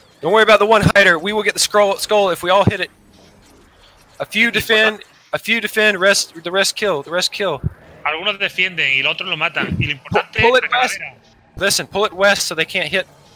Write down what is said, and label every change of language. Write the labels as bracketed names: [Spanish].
[English] Don't worry about the one hider, we will get the skull if we all hit it. A few defend, rest, the rest kill, [Spanish] Algunos defienden y el otro lo matan, y lo importante [English] pull it west. Listen, pull it west so they can't hit.